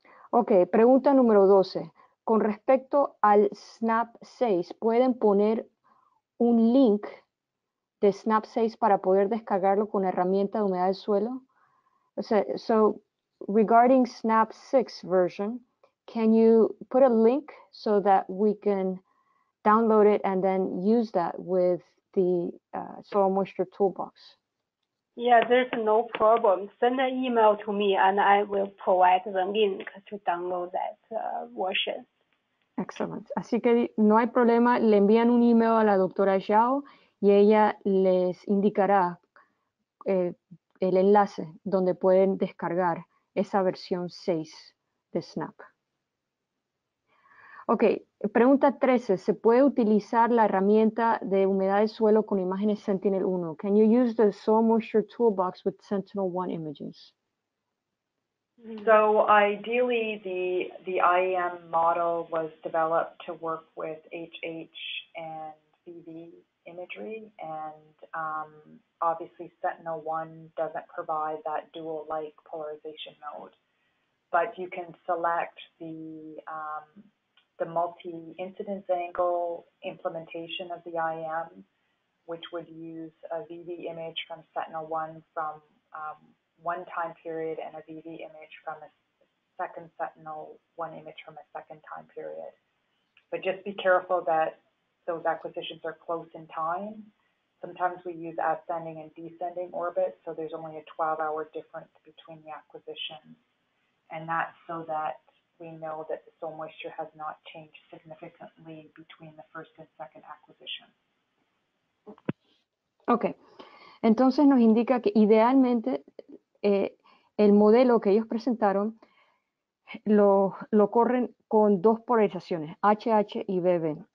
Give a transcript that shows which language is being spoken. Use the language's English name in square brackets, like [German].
[Spanish] Ok, pregunta número 12. Con respecto al Snap 6, ¿pueden poner un link de Snap 6 para poder descargarlo con herramienta de humedad del suelo? [English] So, regarding Snap 6 version, can you put a link so that we can download it and then use that with the soil moisture toolbox? Yeah, there's no problem. Send an email to me and I will provide the link to download that version. Excellent. [Spanish] Así que no hay problema, le envían un email a la doctora Zhao y ella les indicará el enlace donde pueden descargar esa versión 6 de Snap. Ok, pregunta 13. ¿Se puede utilizar la herramienta de humedad de suelo con imágenes Sentinel-1? [English] Can you use the soil moisture toolbox with Sentinel-1 images? So ideally, the IEM model was developed to work with HH and VV imagery, and obviously Sentinel-1 doesn't provide that dual-like polarization mode. But you can select the multi-incidence angle implementation of the IEM, which would use a VV image from Sentinel-1 from one time period and a VV image from a second Sentinel-1 image from a second time period. But just be careful that those acquisitions are close in time. Sometimes we use ascending and descending orbits, so there's only a 12-hour difference between the acquisitions. And that's so that we know that the soil moisture has not changed significantly between the first and second acquisition. Okay. [Spanish] Entonces nos indica que idealmente el modelo que ellos presentaron lo corren con dos polarizaciones, HH y BB.